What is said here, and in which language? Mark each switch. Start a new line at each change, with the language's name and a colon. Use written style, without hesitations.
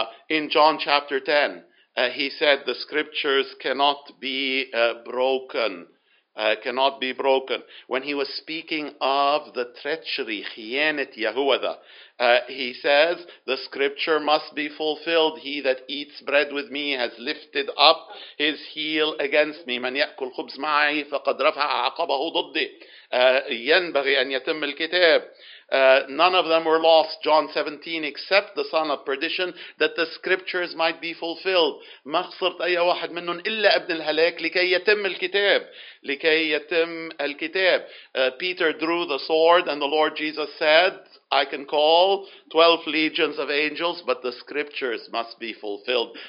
English: In John chapter 10, he said the scriptures cannot be broken. Cannot be broken. When he was speaking of the treachery,
Arabic: خيانت يهوذا,
English: he says, the scripture must be fulfilled. He that eats bread with me has lifted up his heel against me.
Arabic: من يأكل خبز معي فقد رفع عقبه ضدي. ينبغي أن يتم الكتاب.
English: None of them were lost, John 17, except the son of perdition, that the scriptures might be fulfilled.
Arabic: ما خسرت أي واحد منهم إلا ابن الهلاك لكي يتم الكتاب. لكي يتم الكتاب.
English: Peter drew the sword and the Lord Jesus said, I can call 12 legions of angels, but the scriptures must be fulfilled.